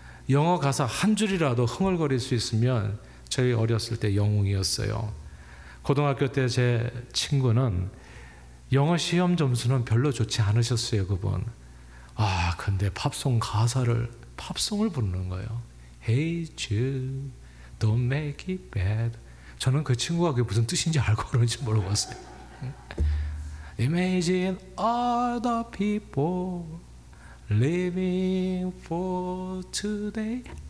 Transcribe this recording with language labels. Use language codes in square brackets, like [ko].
[ko] 영어 가사 한 줄이라도 흥얼거릴 수 있으면 저희 어렸을 때 영웅이었어요. 고등학교 때 제 친구는 영어 시험 점수는 별로 좋지 않으셨어요. 그분. 아 근데 팝송 가사를 팝송을 부르는 거예요. [en] Hey Jude, don't make it bad. [ko] 저는 그 친구가 그게 무슨 뜻인지 알고 그런지 모르겠어요. [en] Imagine all the people living for today.